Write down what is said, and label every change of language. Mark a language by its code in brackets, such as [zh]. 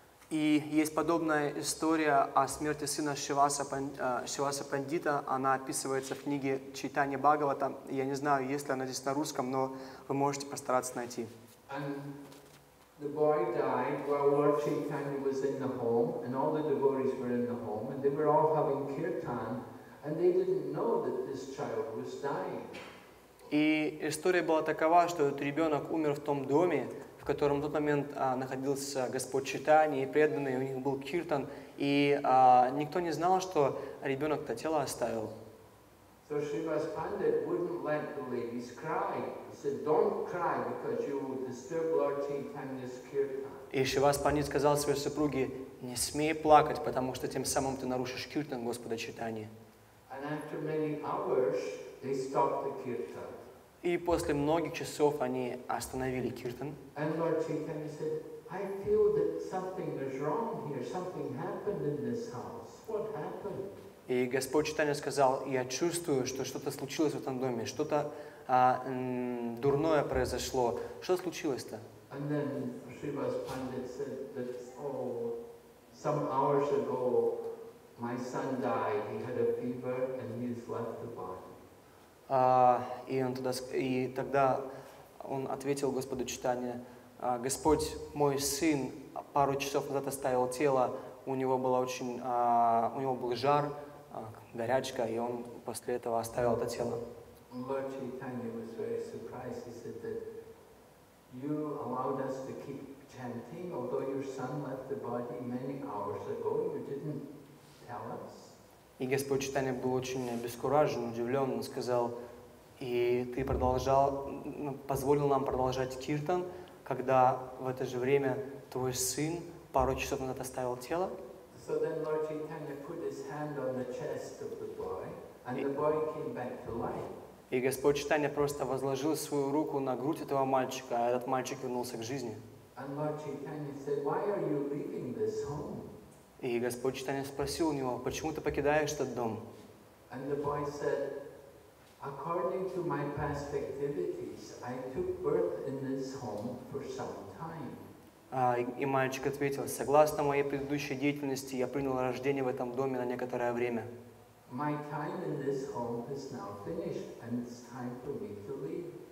[ru] И есть подобная история о смерти сына Шиваса Пандита. Она описывается в книге Чайтанья Бхагавата. Я не знаю, есть ли она здесь на русском, но вы можете постараться найти. [en] And the boy died while Lord Chaitanya was in the home, and all the devotees were in the home, and they were all having kirtan, and they didn't know that this child was dying. [ru] И история была такова, что этот ребенок умер в том доме, в котором в тот момент находился Господь Чайтанья и преданный, у них был киртан, и никто не знал, что ребенок-то тело оставил. [en] So Shrivas Pandit wouldn't let the ladies cry. He said, don't cry, because you will disturb Lord Chaitanya's kirtan. [ru] И Шивас Пандит сказал своей супруге, не смей плакать, потому что тем самым ты нарушишь киртан Господа Чайтанья. [en] And after many hours, they stopped the kirtan. [ru] И после многих часов они остановили киртан. [en] And Lord Chaitanya said, I feel that something is wrong here. Something happened in this house. What happened? [ru] И Господь Чайтанья сказал, я чувствую, что что-то случилось в этом доме. Что-то дурное произошло. Что случилось-то? [en] And then Shrivas Pandit said that, some hours ago, my son died. He had a fever and he has left the body. [ru] И тогда он ответил Господу Чайтанье, Господь, мой сын пару часов назад оставил тело, у него было очень, у него был жар, горячка, и он после этого оставил это тело. [en] Lord Chaitanya was very surprised. He said that you allowed us to keep chanting, although your son left the body many hours ago. You didn't tell us. [ru] И Господь Чайтанья был очень обескуражен, удивлен, он сказал, и ты продолжал, позволил нам продолжать киртан, когда в это же время твой сын пару часов назад оставил тело. [en] So then Lord Chaitanya put his hand on the chest of the boy, and the boy came back to life. [ru] И Господь Чайтанья просто возложил свою руку на грудь этого мальчика, а этот мальчик вернулся к жизни. [en] And Lord Chaitanya said, why are you leaving this home? [ru] И Господь Чайтанья спросил у него, почему ты покидаешь этот дом? [en] And the boy said, according to my past activities, I took birth in this home for some time. [ru] И мальчик ответил, согласно моей предыдущей деятельности, я принял рождение в этом доме на некоторое время. [en] My time in this home is now finished, and it's time for me to leave.